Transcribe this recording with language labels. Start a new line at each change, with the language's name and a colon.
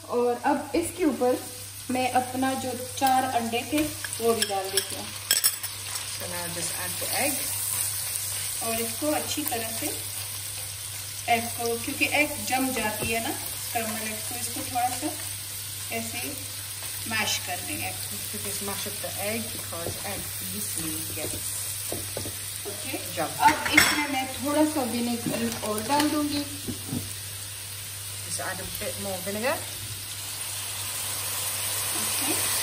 Hindi: और अब इसके ऊपर मैं अपना जो 4 अंडे थे वो भी डाल देती हूँ.
English: So now just add the egg.
Hindi: और इसको अच्छी तरह से एग को क्योंकि एग जम जाती है ना कर्मल एग को इसको थोड़ा सा ऐसे mash कर देंगे. तो फिर
English: mash up the egg because egg easily gets. Okay. Jump.
Hindi: अब इसमें मैं थोड़ा सा विनेगर और डाल दूंगी.
English: Just add a bit more vinegar. Okay.